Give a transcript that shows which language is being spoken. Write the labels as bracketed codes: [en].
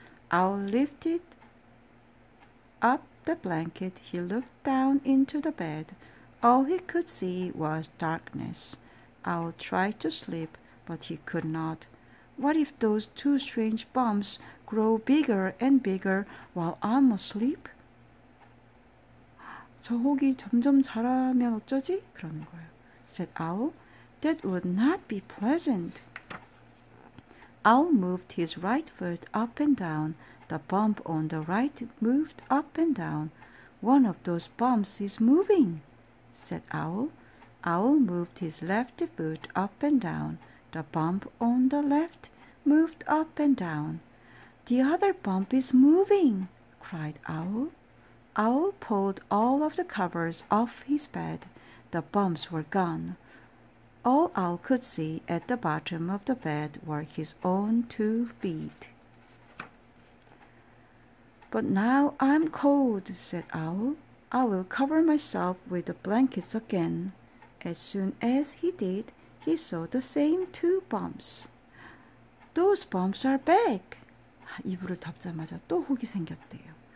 [en] Owl lifted up the blanket. He looked down into the bed. All he could see was darkness. Owl tried to sleep, but he could not. What if those two strange bumps grow bigger and bigger while I'm asleep? [ko] 저 혹이 점점 자라면 어쩌지? 그러는 거예요. [en] Said Owl. That would not be pleasant. Owl moved his right foot up and down. The bump on the right moved up and down. One of those bumps is moving, said Owl. Owl moved his left foot up and down. The bump on the left moved up and down. The other bump is moving, cried Owl. Owl pulled all of the covers off his bed. The bumps were gone. All Owl could see at the bottom of the bed were his own 2 feet. But now I'm cold, said Owl. I will cover myself with the blankets again. As soon as he did, he saw the same 2 bumps. Those bumps are back. [ko] 이불을 덮자마자 또 혹이 생겼대요.